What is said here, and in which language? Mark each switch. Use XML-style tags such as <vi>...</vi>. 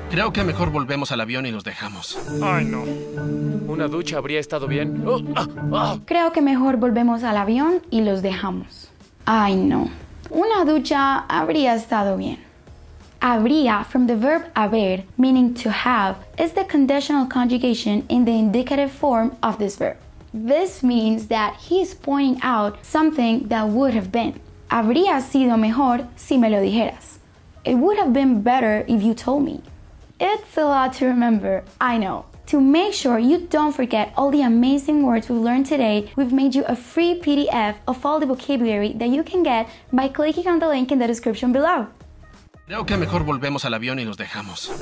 <es>Creo que mejor volvemos al avión y nos dejamos. Ay, no. Una ducha habría estado bien. Creo que mejor volvemos al avión y los dejamos. Ay, no. Una ducha habría estado bien.</es> <en>Habría, from the verb haber, meaning to have, is the conditional conjugation in the indicative form of this verb. This means that he is pointing out something that would have been.</en> <es>Habría sido mejor si me lo dijeras.</es> <en>It would have been better if you told me. It's a lot to remember, I know. To make sure you don't forget all the amazing words we've learned today, we've made you a free PDF of all the vocabulary that you can get by clicking on the link in the description below.</en> <es>Creo que mejor volvemos al avión y nos dejamos.</es>